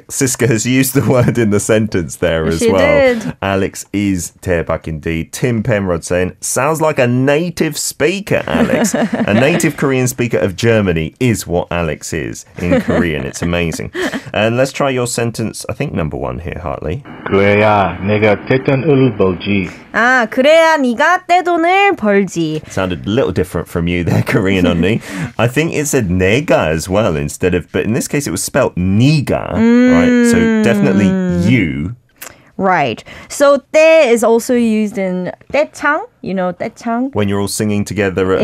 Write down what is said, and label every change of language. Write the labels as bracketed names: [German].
[English] Siska has used the word in the sentence there as she well. She did. Alex is 대박 indeed. Tim Penrod saying, sounds like a native speaker, Alex. A native Korean speaker of Germany is what Alex is in Korean. It's amazing. And let's try your sentence, I think number one here, Hartley. [Korean] 그래야 내가 대돈을 벌지. 아, 그래야 네가 대돈을 벌지. [English] Sounded a little different from you there, Korean on me. I think it said 내가 as well instead of, but in this case it was spelt 네가, right? So definitely you. Right. So 때 is also used in 때창, you know, 때창. When you're all singing together at